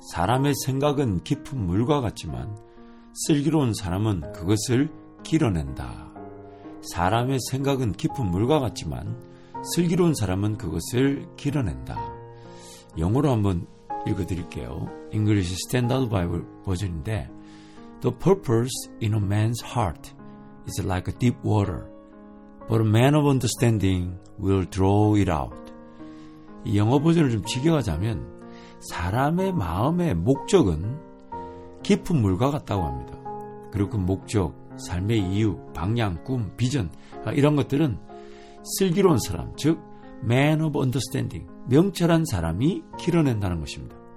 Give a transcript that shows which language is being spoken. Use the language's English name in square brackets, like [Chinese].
[Korean] 사람의 생각은 깊은 물과 같지만 슬기로운 사람은 그것을 길어낸다. 사람의 생각은 깊은 물과 같지만 슬기로운 사람은 그것을 길어낸다. 영어로 한번 읽어드릴게요. [English] English Standard Bible 버전인데, The purpose in a man's heart is like a deep water, but a man of understanding will draw it out. [Korean] 이 영어 버전을 좀 직역하자면 사람의 마음의 목적은 깊은 물과 같다고 합니다. 그리고 그 목적, 삶의 이유, 방향, 꿈, 비전 이런 것들은 슬기로운 사람, 즉 [English] man of understanding, [Korean] 명철한 사람이 길어낸다는 것입니다.